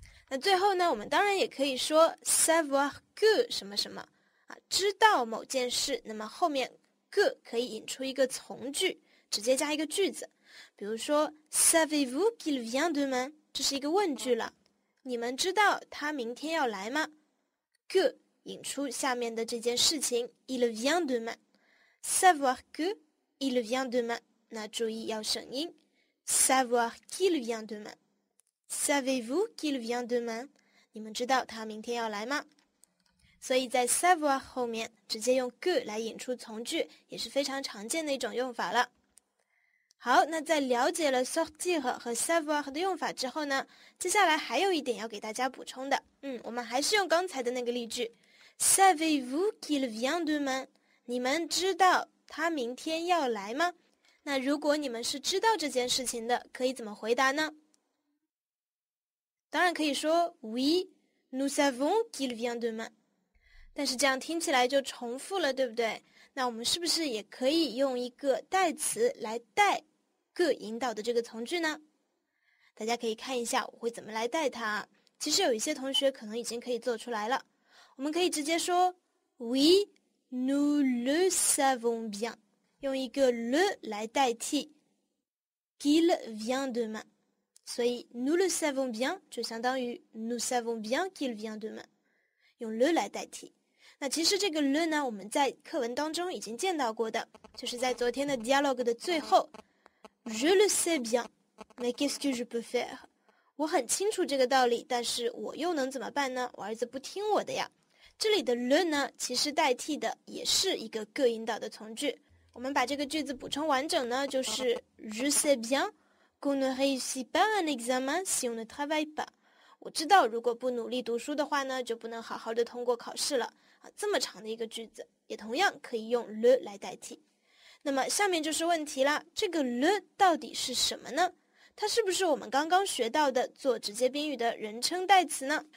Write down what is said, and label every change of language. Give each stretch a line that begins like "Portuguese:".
Chinese: 那最后呢，我们当然也可以说
French: savoir que
Chinese: 什么什么啊，知道某件事，那么后面 que 可以引出一个从句，直接加一个句子，比如说
French: savez-vous qu'il vient demain，
Chinese: 这是一个问句了，你们知道他明天要来吗？
French: que
Chinese: 引出下面的这件事情，
French: il vient demain， savoir que il vient demain，
Chinese: 那注意要省音，
French: savoir qu'il vient demain. Savez-vous qu'il vient demain?
Chinese: 你们知道他明天要来吗？所以在 savoir 后面直接用 que 来引出从句，也是非常常见的一种用法了。好，那在了解了 sortir 和 savoir 的用法之后呢，接下来还有一点要给大家补充的。我们还是用刚才的那个例句，
French: Savez-vous qu'il vient demain?
Chinese: 你们知道他明天要来吗？那如果你们是知道这件事情的，可以怎么回答呢？当然可以说
French: Oui, nous savons qu'il vient demain。
Chinese: 但是这样听起来就重复了，对不对？那我们是不是也可以用一个代词来代个引导的这个从句呢？大家可以看一下我会怎么来代它。其实有一些同学可能已经可以做出来了，我们可以直接说
French: Oui, nous le savons bien，
Chinese: 用一个 le 来代替
French: qu'il vient demain，
Chinese: 所以
French: nous le savons bien
Chinese: 就相当于
French: nous savons bien qu'il vient demain，
Chinese: 用 le 来代替。那其实这个 le 呢，我们在课文当中已经见到过的，就是在昨天的 dialogue 的最后，
French: je le sais bien mais qu'est-ce que je peux faire，
Chinese: 我很清楚这个道理，但是我又能怎么办呢？我儿子不听我的呀。这里的 le 呢，其实代替的也是一个个引导的从句。我们把这个句子补充完整呢，就是
French: Je sais bien qu'on ne réussit pas un examen si on ne travaille pas。
Chinese: 我知道如果不努力读书的话呢，就不能好好的通过考试了。这么长的一个句子也同样可以用 le 来代替。那么下面就是问题了，这个 le 到底是什么呢？它是不是我们刚刚学到的做直接宾语的人称代词呢？